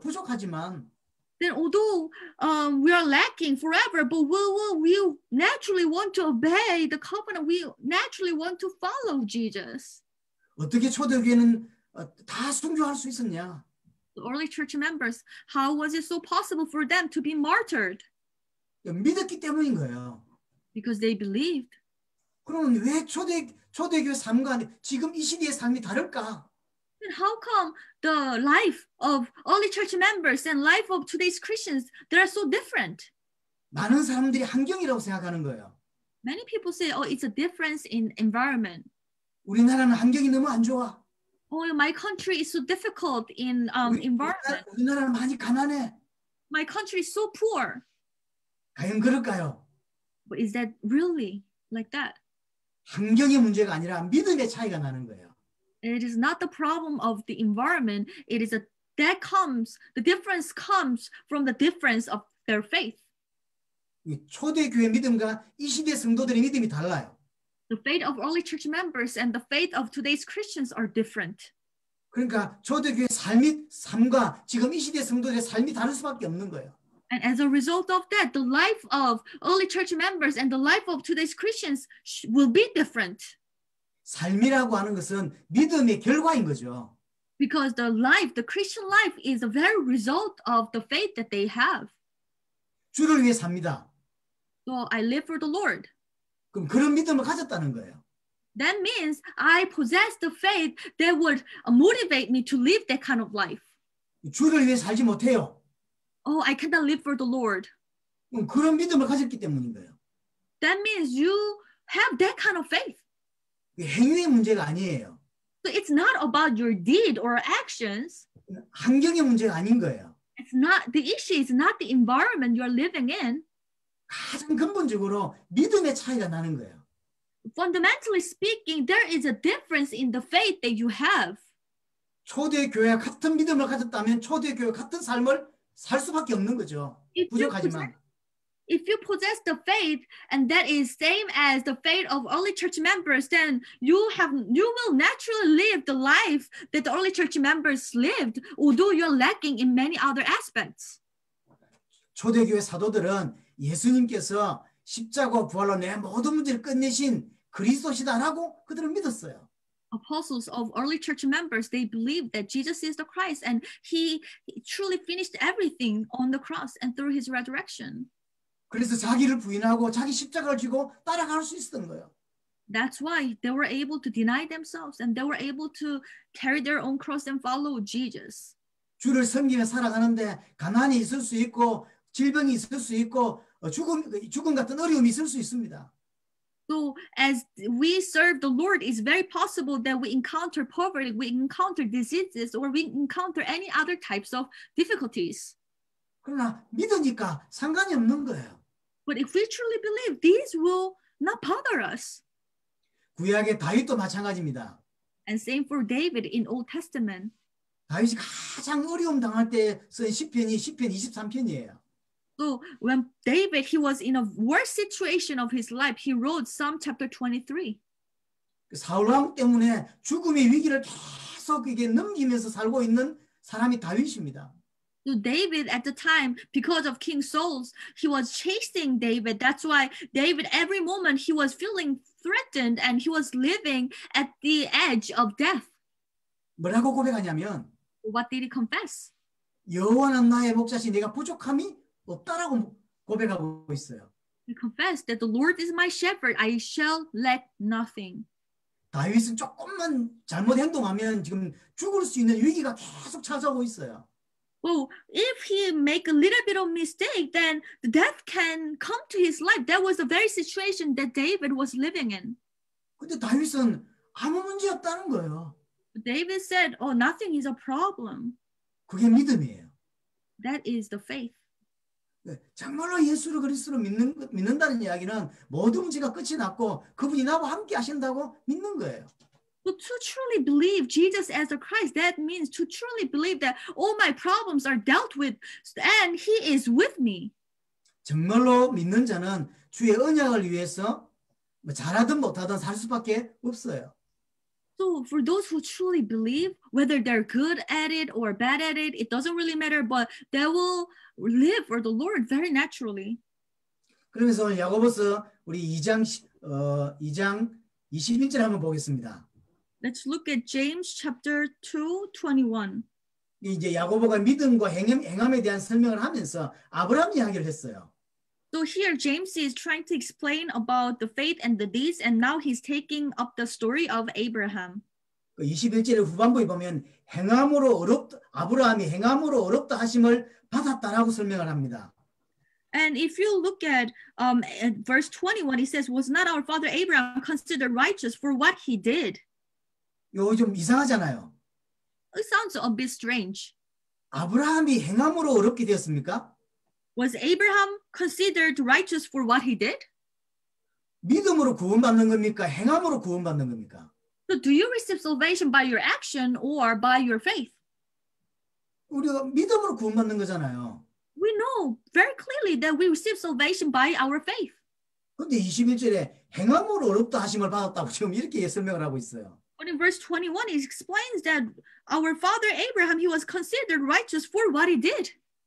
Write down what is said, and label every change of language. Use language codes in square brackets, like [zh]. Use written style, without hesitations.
[ko] 부족하지만. [en] Then although we are lacking forever, but we naturally want to obey the covenant. We naturally want to follow Jesus. [ko] 어떻게 초대교회는 다 순종할 수 있었냐? [en] Early church members, how was it so possible for them to be martyred? [ko] 믿었기 때문인 거예요. [en] Because they believed. [ko] 그러면 왜 초대교회 삶과 지금 이 시대의 삶이 다를까? [en] Then how come the life of early church members and life of today's Christians they are so different? [ko] 많은 사람들이 환경이라고 생각하는 거예요. [en] Many people say, "Oh, it's a difference in environment." [ko] 우리나라는 환경이 너무 안 좋아. [en] Oh, my country is so difficult in environment. [ko] 우리나라는 많이 가난해. [en] My country is so poor. [ko] 과연 그럴까요? [en] But is that really like that? [ko] 환경의 문제가 아니라 믿음의 차이가 나는 거예요. [en] It is not the problem of the environment. It is the difference comes from the difference of their faith. [ko] 초대교회 믿음과 이 시대 성도들의 믿음이 달라요. [en] The faith of early church members and the faith of today's Christians are different. [ko] 그러니까 초대교회 삶과 지금 이 시대 성도들의 삶이 다를 수밖에 없는 거예요. [en] And as a result of that, the life of early church members and the life of today's Christians will be different. [ko] 삶이라고 하는 것은 믿음의 결과인 거죠. [en] Because the life, the Christian life is a very result of the faith that they have. [ko] 주를 위해 삽니다. [en] So I live for the Lord. [ko] 그럼 그런 믿음을 가졌다는 거예요. [en] That means I possess the faith that would motivate me to live that kind of life. [ko] 주를 위해 살지 못해요. [en] Oh, I cannot live for the Lord. [ko] 그럼 그런 믿음을 가졌기 때문인 거예요. [en] That means you have that kind of faith. [ko] 행위의 문제가 아니에요. [en] So it's not about your deed or actions. [ko] 환경의 문제가 아닌 거예요. [en] It's not the issue. It's not the environment you're living in. [ko] 가장 근본적으로 믿음의 차이가 나는 거예요. [en] Fundamentally speaking, there is a difference in the faith that you have. [ko] 초대교회 같은 믿음을 가졌다면 초대교회 같은 삶을 살 수밖에 없는 거죠. 부족하지만. [en] If you possess the faith, and that is same as the faith of early church members, then you will naturally live the life that the early church members lived, although you're lacking in many other aspects. [ko] 초대교회 사도들은 예수님께서 십자가 부활로 내 모든 문제를 끝내신 그리스도시다라고 그들은 믿었어요. [en] Apostles of early church members, they believed that Jesus is the Christ, and he truly finished everything on the cross and through his resurrection. [ko] 그래서 자기를 부인하고 자기 십자가를 지고 따라갈 수 있었던 거예요. [en] That's why they were able to deny themselves and they were able to carry their own cross and follow Jesus. [ko] 주를 섬기며 살아가는데 가난이 있을 수 있고 질병이 있을 수 있고 죽음 같은 어려움이 있을 수 있습니다. [en] So as we serve the Lord, it's very possible that we encounter poverty, we encounter diseases, or we encounter any other types of difficulties. [ko] 그러나 믿으니까 상관이 없는 거예요. [en] But if we truly believe, these will not bother us. [ko] 구약의 다윗도 마찬가지입니다. [en] And same for David in Old Testament. [ko] 다윗이 가장 어려움 당할 때 쓴 시편이 시편 23편이에요. [en] So when David, he was in a worst situation of his life, he wrote Psalm chapter 23. [ko] 사울 왕 때문에 죽음의 위기를 계속 이게 넘기면서 살고 있는 사람이 다윗입니다. [en] So David at the time, because of King Saul, he was chasing David. That's why David, every moment, he was feeling threatened and he was living at the edge of death. [ko] 뭐라고 고백하냐면, [en] What did he confess? [ko] 여호와는 나의 목자시 내가 부족함이 없다라고 고백하고 있어요. [en] He confessed that the Lord is my shepherd. I shall lack nothing. [ko] 다윗은 조금만 잘못 행동하면 지금 죽을 수 있는 위기가 계속 찾아오고 있어요. [en] Well, if he make a little bit of mistake, then death can come to his life. That was the very situation that David was living in. [ko] 근데 다윗은 아무 문제 없다는 거예요. [en] But David said, oh, nothing is a problem. [ko] 그게 믿음이에요. [en] That is the faith. [ko] 정말로 예수를 그리스도로 믿는다는 이야기는 모든 문제가 끝이 났고 그분이 나와 함께 하신다고 믿는 거예요. [en] So to truly believe Jesus as the Christ, that means to truly believe that all my problems are dealt with and he is with me. [ko] 정말로 믿는 자는 주의 언약을 위해서 뭐 잘하든 못하든 살 수밖에 없어요. [en] So for those who truly believe, whether they're good at it or bad at it, it doesn't really matter, but they will live for the Lord very naturally. [ko] 그러면서 야고보서 우리 2장 21절 한번 보겠습니다. [en] Let's look at James chapter 2:21. [ko] 이제 야고보가 믿음과 행함에 대한 설명을 하면서 아브라함 이야기를 했어요. [en] So here James is trying to explain about the faith and the deeds, and now he's taking up the story of Abraham. [ko] 21절 후반부에 보면 행함으로 어렵다 아브라함이 행함으로 어렵다 하심을 받았다라고 설명을 합니다. [en] And if you look at verse 21, it says, "Was not our father Abraham considered righteous for what he did?" [ko] 이거 좀 이상하잖아요. [en] It sounds a bit strange. [ko] 아브라함이 행함으로 어렵게 되었습니까? [en] Was Abraham considered righteous for what he did? [ko] 믿음으로 구원받는 겁니까? 행함으로 구원받는 겁니까? [en] So do you receive salvation by your action or by your faith? [ko] 우리가 믿음으로 구원받는 거잖아요. [en] We know very clearly that we receive salvation by our faith. [ko] 근데 21절에 행함으로 어렵다 하심을 받았다고 지금 이렇게 설명을 하고 있어요. [en] But in verse 21, it explains that our father Abraham, he was considered righteous for what he did.